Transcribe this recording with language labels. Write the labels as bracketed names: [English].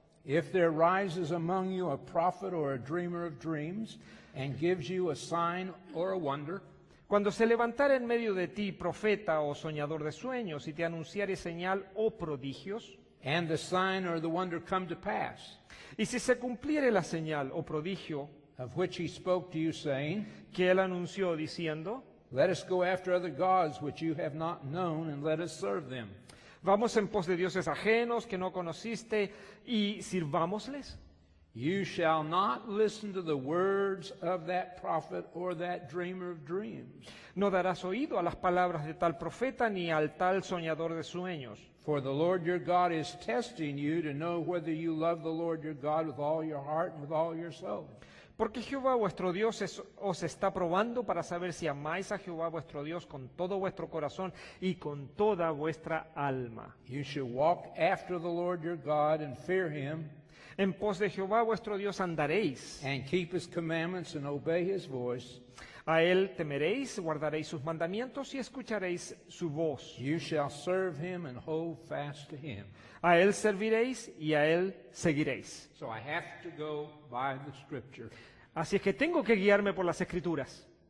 [English] If there rises among you a prophet or a dreamer of dreams and gives you a sign or a wonder. [Spanish] Cuando se levantare en medio de ti profeta o soñador de sueños y te anunciare señal o prodigios. [English] And the sign or the wonder come to pass. [Spanish] Y si se cumpliere la señal o prodigio. [English] Of which he spoke to you saying. [Spanish] Que él anunció diciendo. [English] Let us go after other gods which you have not known and let us serve them. [Spanish] Vamos en pos de dioses ajenos que no conociste y sirvámosles. [English] You shall not listen to the words of that prophet or that dreamer of dreams. [Spanish] No darás oído a las palabras de tal profeta ni al tal soñador de sueños. [English] For the Lord your God is testing you to know whether you love the Lord your God with all your heart and with all your soul. [Spanish] Porque Jehová vuestro Dios os está probando para saber si amáis a Jehová vuestro Dios con todo vuestro corazón y con toda vuestra alma. [English] You should walk after the Lord your God and fear him. [Spanish] En pos de Jehová vuestro Dios andaréis. [English] And keep his commandments and obey his voice. [Spanish] A él temeréis, guardaréis sus mandamientos y escucharéis su voz. [English] You shall serve him and hold fast to him. [Spanish] A él serviréis y a él seguiréis. [English] So I have to go by the scripture. [Spanish] Así es que tengo que guiarme por las escrituras.